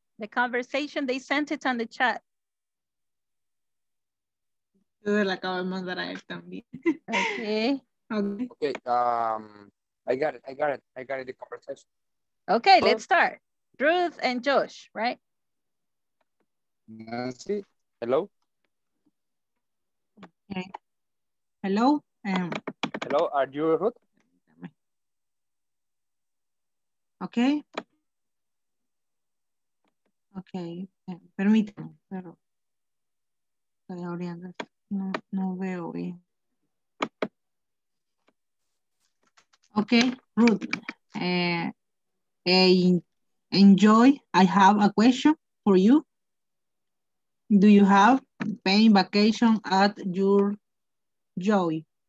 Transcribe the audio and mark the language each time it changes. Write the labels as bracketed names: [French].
[English] The conversation, they sent it on the chat. [Spanish] Yo se la acabo de mandar a él también. [English] Okay. Okay. I got it, the conversation. Okay, let's start. Ruth and Josh, right? Nancy, hello? Okay. Hello? Hello, are you Ruth? Okay. [Spanish] Okay, permítame, pero estoy abriendo, no veo bien. [English] Okay, Ruth, enjoy, I have a question for you. Do you have paying vacation at your joy?